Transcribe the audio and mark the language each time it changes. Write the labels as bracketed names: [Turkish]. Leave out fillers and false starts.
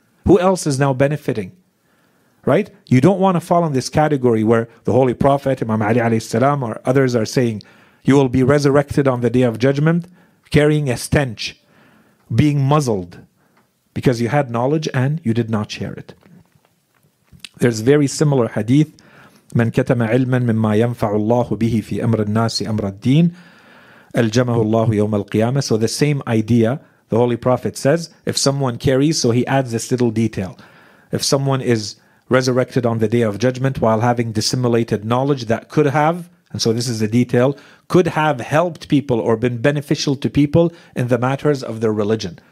[English] Who else is now benefiting? Right? You don't want to fall in this category where the Holy Prophet, Imam Ali alayhi salam, or others are saying, you will be resurrected on the day of judgment carrying a stench, being muzzled because you had knowledge and you did not share it. There's very similar hadith. [Arabic] من كتم علما مما ينفع الله به في أمر الناس أمر الدين ألجمه الله يوم القيامة. [English] So the same idea, the Holy Prophet says, if someone carries, so he adds this little detail. If someone is resurrected on the day of judgment while having dissimulated knowledge that could have, and so this is the detail, could have helped people or been beneficial to people in the matters of their religion.